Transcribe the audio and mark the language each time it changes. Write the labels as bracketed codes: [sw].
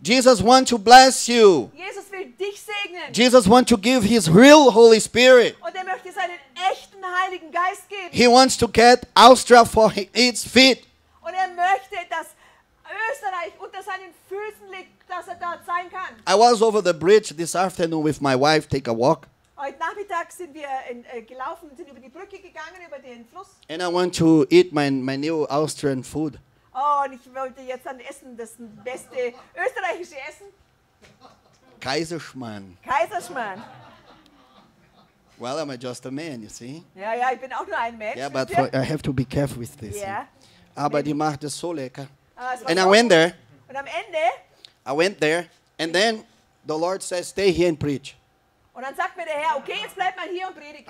[en] Jesus wants to bless you. [de] Jesus will dich segnen. [en] Jesus wants to give his real Holy Spirit. [de] Und er möchte seinen echten Heiligen Geist geben. [en] He wants to get Austria for its feet. [de] Und er möchte, dass Österreich unter seinen Füßen liegt, dass er dort sein kann. [en] I was over the bridge this afternoon with my wife, take a walk. [de] Heute Nachmittag sind wir gelaufen, sind über die Brücke gegangen, über den Fluss. [en] And I want to eat my new Austrian food. [de] Oh, und ich wollte jetzt dann essen, das beste österreichische Essen. Kaiserschmarrn. [en] Well, I'm just a man, you see. [de] Ja, ich bin auch nur ein Mensch. [en] Yeah, but I have to be careful with this. Yeah. [de] Aber die macht es so lecker. Ah, [en] and I went there. [de] Und am Ende. [en] I went there, and then the Lord says, stay here and preach. [de] Und dann sagt mir der Herr, okay, jetzt bleib mal hier und predige.